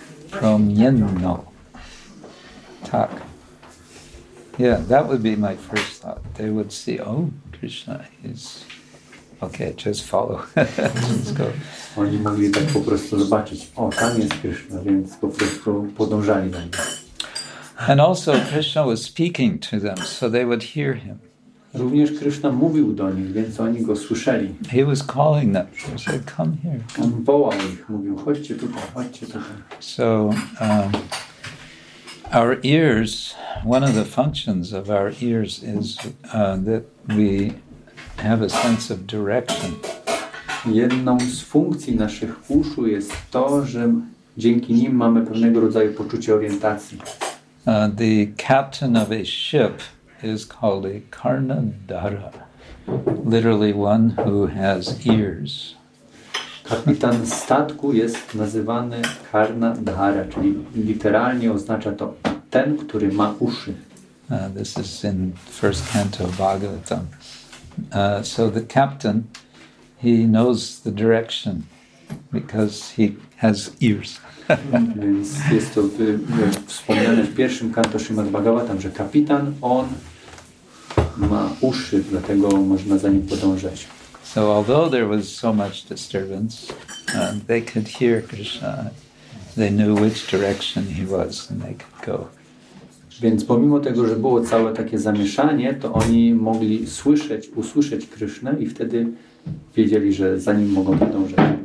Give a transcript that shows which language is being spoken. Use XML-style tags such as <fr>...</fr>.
<pl>Promienną. Tak.</pl> <en>Yeah, that would be my first thought. They would see, oh, Krishna is... Okay, just follow. Let's go.</en> <pl>Oni mogli tak po prostu zobaczyć, o, tam jest Krishna, więc po prostu podążali na nim.</pl> <en>And also Krishna was speaking to them, so they would hear him.</en> <pl>Również Krishna mówił do nich, więc oni go słyszeli.</pl> <en>He was calling them. He said, come here.</en> <pl>On wołał ich, mówił, chodźcie tutaj, chodźcie tutaj.</pl> <en>So our ears, one of the functions of our ears is that we have a sense of direction.</en> <pl>Jedną z funkcji naszych uszu jest to, że dzięki nim mamy pewnego rodzaju poczucie orientacji.</pl> <en>The captain of a ship is called a karnadhara, literally one who has ears.</en> <pl>Kapitan statku jest nazywany karnadhara, czyli literalnie oznacza to ten, który ma uszy.</pl> <en>This is in first canto of Bhagavatam. So the captain, he knows the direction because he has ears.</en> <pl>Jest to wspomniane w pierwszym kanto Śrimad Bhagavatam, że kapitan, on ma uszy, dlatego można za nim podążać.</pl> <en>So although there was so much disturbance, they could hear Krishna. They knew which direction he was and they could go.</en> <pl>Więc pomimo tego, że było całe takie zamieszanie, to oni mogli usłyszeć Krishna i wtedy wiedzieli, że za nim mogą podążać.</pl>